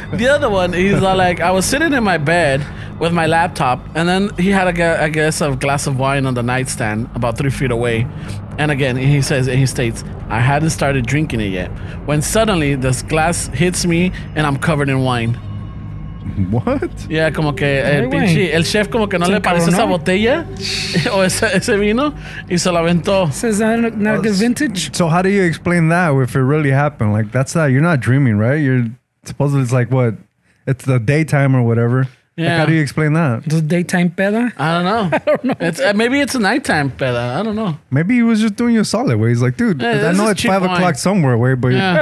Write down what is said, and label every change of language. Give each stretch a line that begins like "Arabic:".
English: The other one, he's like, I was sitting in my bed with my laptop and then he had, a glass of wine on the nightstand about 3 feet away. And again, he says, and he states, I hadn't started drinking it yet. When suddenly this glass hits me and I'm covered in wine. What?
Spanish: Yeah, como que el pinche, el chef como que no le parece esa botella o ese vino y se la aventó.
English: Says that not a good vintage. So how do you explain that if it really happened? Like that's that you're not dreaming, right? You're supposedly it's like what? It's the daytime or whatever. Yeah. Like, how do you explain that? The daytime peda? I don't know. Maybe it's a nighttime peda. I don't know. Maybe he was just doing your solid way. He's like, dude, yeah, I know it's 5 o'clock somewhere away, but yeah.